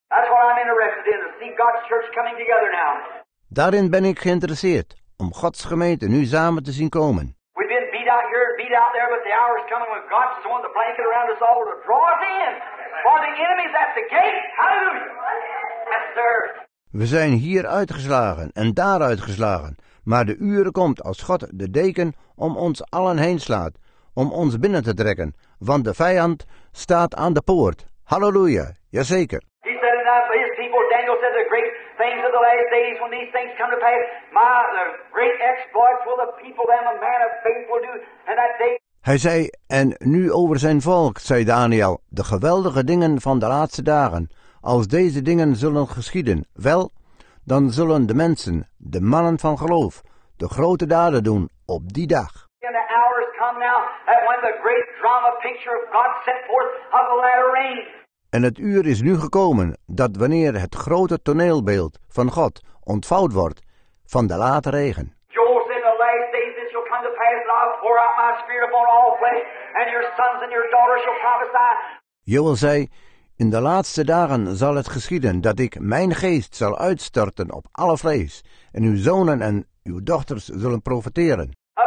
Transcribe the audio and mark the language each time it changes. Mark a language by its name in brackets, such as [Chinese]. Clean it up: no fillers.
[English] That's what I'm interested in, to see God's church coming together now. [Dutch] Daarin ben ik geïnteresseerd, om Gods gemeente nu samen te zien komen. [English] We've been beat out here and beat out there, but the hour is coming when God's throwing the blanket around us all to draw us in. For the enemy's at the gate. Hallelujah. Yes, sir. [Dutch] We zijn hier uitgeslagen en daar uitgeslagen. Maar de uren komt als God de deken om ons allen heen slaat, om ons binnen te trekken, want de vijand staat aan de poort. Halleluja, jazeker. [English] He said in his people, Daniel said the great things of the last days when these things come to pass, my, the great exploits will the people and the man of faith will do. And that day... [Dutch] Hij zei, en nu over zijn volk, zei Daniel, de geweldige dingen van de laatste dagen, als deze dingen zullen geschieden, wel... Dan zullen de mensen, de mannen van geloof, de grote daden doen op die dag. [English] And the hours come now that when the great drama picture of God set forth of the latter rain. [Dutch] En het uur is nu gekomen dat wanneer het grote toneelbeeld van God ontvouwd wordt van de late regen. [English] Joel said in the last days this shall come to pass and I'll pour out my spirit upon all flesh and your sons and your daughters shall prophesy. [Dutch] Joel zei... In de laatste dagen zal het geschieden dat ik mijn geest zal uitstorten op alle vlees en uw zonen en uw dochters zullen profeteren.